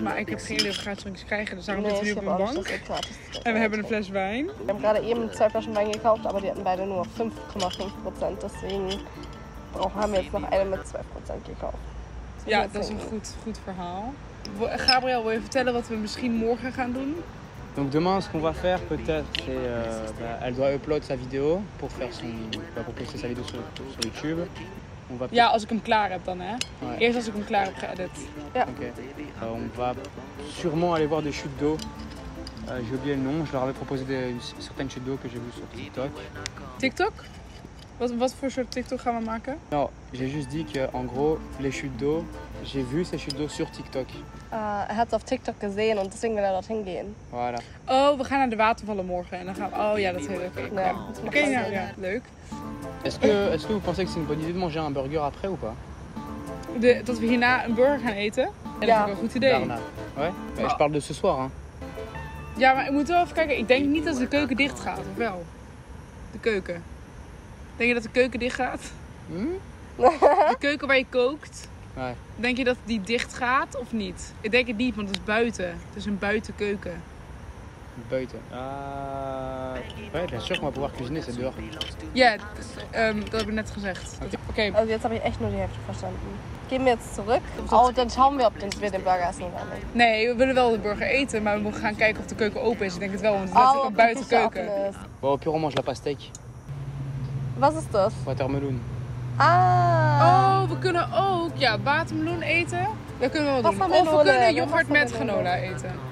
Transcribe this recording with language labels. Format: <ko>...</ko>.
<nl>Maar ik heb geen idee of gratis drankjes krijgen, dus daarom zitten we nu op een bank. En we hebben een fles wijn. We hebben</nl> <de>gerade eben</de> <nl>2 flessen wijn gekocht, maar die hadden beide</nl> <de>nur</de> <nl>5,5%.</nl> <de>Deswegen</de> <nl>hebben we</nl> <de>jetzt</de> <nl>nog een met 12% gekocht. Ja, dat is een goed verhaal. Gabriel, wil je vertellen wat we misschien morgen gaan doen?</nl> <fr>Donc demain, ce qu'on va faire peut-être, c'est elle doit upload sa vidéo pour faire pour poster sa vidéo sur YouTube. On va</fr> <nl>als ik hem klaar heb dan, hè.</nl> <fr>Ouais.</fr> <nl>Eerst als ik hem klaar heb geëdit. Ja. Okay.</nl> <fr>On va sûrement aller voir des chutes d'eau. J'ai oublié le nom. Je leur avais proposé certaines chutes d'eau que j'ai vues sur TikTok. TikTok?</fr> <nl>Wat voor soort TikTok gaan we maken?</nl> <fr>Non, j'ai juste dit que en gros les chutes d'eau, j'ai vu ces chutes d'eau sur TikTok.</fr> <nl>Hij had het op TikTok gezien en</nl> <de>deswegen</de> <nl>wil hij daarheen gaan.</nl> <fr>Voilà.</fr> <nl>Oh, we gaan naar de watervallen morgen en dan gaan we... Oh ja, dat is heel leuk. Oké, ja, leuk.</nl> <fr>Est-ce que vous pensez que c'est une bonne idée de manger un burger après ou pas?</fr> <nl>Dat we hierna een burger gaan eten? Ja. Dat is een goed idee. Daarna.</nl> <fr>Ouais. Oh. Mais je parle de ce soir, hein.</fr> <nl>Ja, maar ik moet wel even kijken. Ik denk niet dat de keuken dicht gaat, of wel? De keuken. Denk je dat de keuken dicht gaat? Hmm? De keuken waar je kookt? Nee. Denk je dat die dicht gaat of niet? Ik denk het niet, want het is buiten. Het is een buitenkeuken. Buiten? Ja, zeg maar, voor cuisine is het door. Ja, dat heb ik net gezegd. Oké. Okay.</nl> <de>Okay. Oh, jetzt</de> <nl>heb ik echt</nl> <de>nur die Hälfte verstanden. Gehen wir jetzt zurück? Oh, dann schauen wir, ob wir den Burger essen oder nicht.</de> <nl>Nee, we willen wel de burger eten, maar we moeten gaan kijken of de keuken open is. Ik denk het wel, want het is natuurlijk een buitenkeuken.</nl> <fr>Wow, puur on mange la pastèque.</fr> <nl>Wat is dat? Watermeloen. Ah. Oh, we kunnen ook watermeloen eten. Dat kunnen we wel doen. Of we kunnen yoghurt met granola eten.</nl>